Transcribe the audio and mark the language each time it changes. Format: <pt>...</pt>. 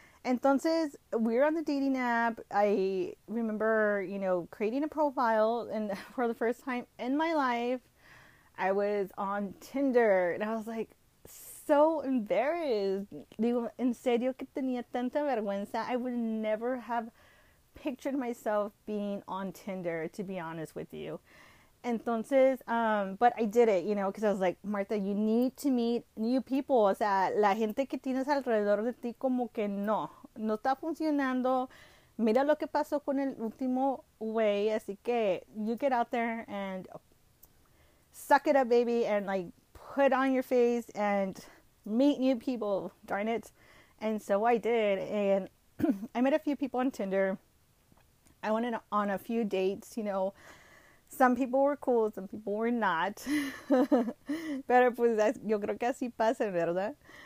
<en>Entonces, we're on the dating app. I remember, creating a profile, and for the first time in my life, I was on Tinder, and I was like, so embarrassed.</en> <es>Digo, en serio que tenía tanta vergüenza.</es> <en>I would never have pictured myself being on Tinder, to be honest with you. Entonces, but I did it, because I was like, Martha, you need to meet new people.</en> <es>O sea, la gente que tienes alrededor de ti, como que no está funcionando. Mira lo que pasó con el último güey.</es> <en>Así que, you get out there and suck it up, baby, and like, put on your face and meet new people, darn it. And so I did, and I met a few people on Tinder. I went on a few dates. Some people were cool, some people were not.</en> <es>Pero pues, yo creo que así pasa, ¿verdad?</es>